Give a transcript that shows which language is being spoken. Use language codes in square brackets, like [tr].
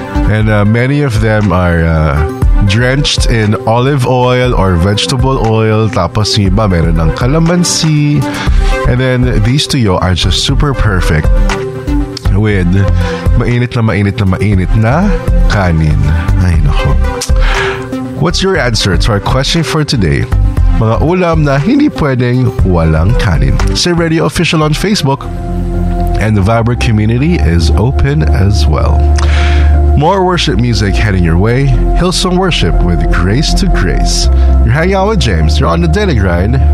[en] And many of them are drenched in olive oil or vegetable oil. [tl] Tapos yung iba meron ng calamansi. [en] And then these tuyo are just super perfect with [tl] mainit na mainit na mainit na kanin. Ay nako. [en] What's your answer to our question for today? [tl] Mga ulam na hindi pwedeng walang kanin. [en] Save Radio Official on Facebook. And the Viber community is open as well. More worship music heading your way. Hillsong Worship with Grace to Grace. You're hanging out with James. You're on The Daily Grind.